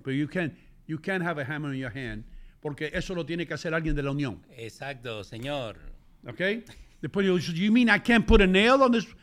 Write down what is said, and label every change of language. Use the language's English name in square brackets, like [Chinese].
[English] But you can't have a hammer in your hand. [Spanish] Porque eso lo tiene que hacer alguien de la Unión. Exacto, señor. [English] Okay? [Spanish] Después, [English] you mean I can't put a nail on this?